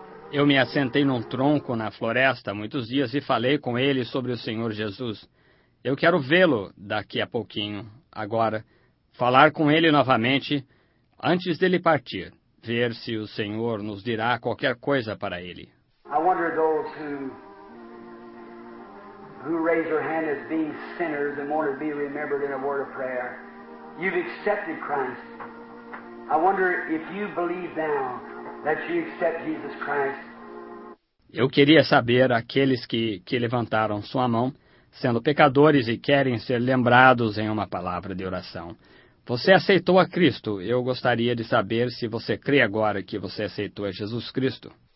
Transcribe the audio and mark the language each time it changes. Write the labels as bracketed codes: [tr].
[pt] Eu me assentei num tronco na floresta muitos dias e falei com ele sobre o Senhor Jesus. Eu quero vê-lo daqui a pouquinho. Agora, falar com ele novamente, antes dele partir, ver se o Senhor nos dirá qualquer coisa para ele. [en] I wonder those who raise their hand as being sinners and want to be remembered in a word of prayer. You've accepted Christ. I wonder if you believe now that you accept Jesus Christ. [pt] Eu queria saber aqueles que levantaram sua mão, sendo pecadores e querem ser lembrados em uma palavra de oração. Você aceitou a Cristo. Eu gostaria de saber se você crê agora que você aceitou a Jesus Cristo.